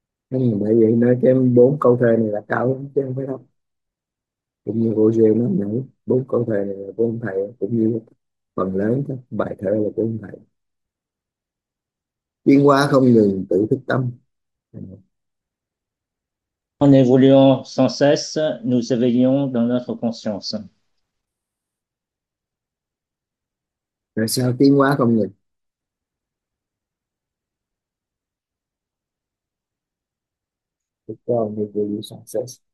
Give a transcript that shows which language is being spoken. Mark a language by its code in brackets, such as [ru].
[vi] Nhưng bởi vậy nói cái bốn câu thơ này là cao lắm chứ không phải đâu. Cũng như Hồ Dương nó nhảy, bốn câu thơ này là của ông thầy, cũng như phần lớn các bài thơ là của ông thầy. Tiến hóa không ngừng tự thức tâm. [fr] En évoluant sans cesse, nous éveillons dans notre conscience. [vi] Rồi sao tiến hóa không ngừng? Thực ra mình vừa đi sản xuất.